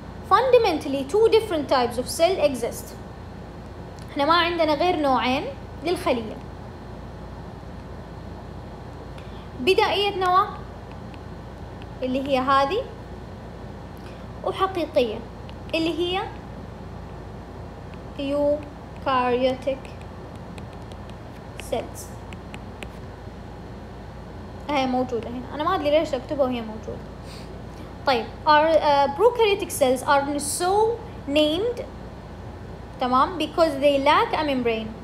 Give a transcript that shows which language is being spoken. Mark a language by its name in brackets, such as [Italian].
[English] Fundamentally two different types of cell exist. [Arabic] احنا ما عندنا غير نوعين للخلية، بدائية نواة اللي هي هذه، وحقيقية اللي هي eukaryotic cells. هي موجودة هنا، أنا ما أدري ليش أكتبها وهي موجودة. [English] طيب prokaryotic cells are so named، [Arabic] تمام، [English] because they lack a membrane.